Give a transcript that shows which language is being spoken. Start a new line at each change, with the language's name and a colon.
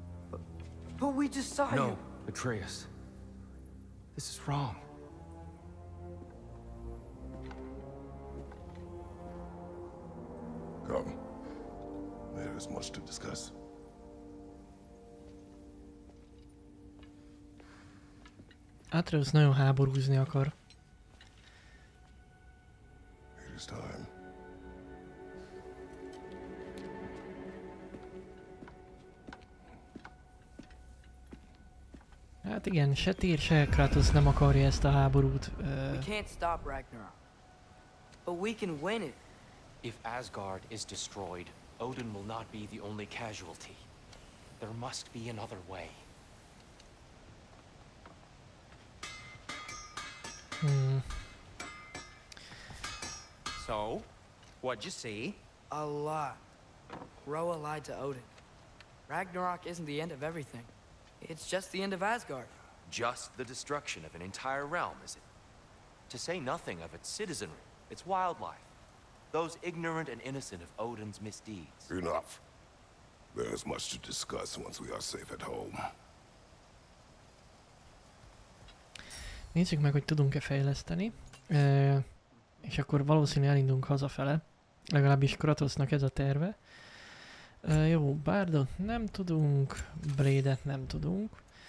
English: But we just saw you. No, Atreus. This is wrong. Come. There is much to discuss.
Hungarian: Atreus nagyon háborúzni akar.
English: It is time.
Hungarian: Hát igen, se Tyr, se Kratos nem akarja ezt a háborút.
English: We can't stop Ragnarok. But we can win it. If Asgard is destroyed, Odin will not be the only casualty. There must be another way. So, what'd you see? A lot. Roa lied to Odin. Ragnarok isn't the end of everything. It's just the end of Asgard. Just the destruction of an entire realm, is it? To say nothing of its citizenry, its wildlife. Those ignorant and innocent of Odin's misdeeds. Enough. There's much to discuss once we are safe at home.
Hungarian: Nézzük meg, hogy tudunk-e fejleszteni. És akkor valószínűleg elindulunk hazafele. Legalábbis Kratosznak ez a terve. Jó, Bardot nem tudunk, Blade-et nem tudunk.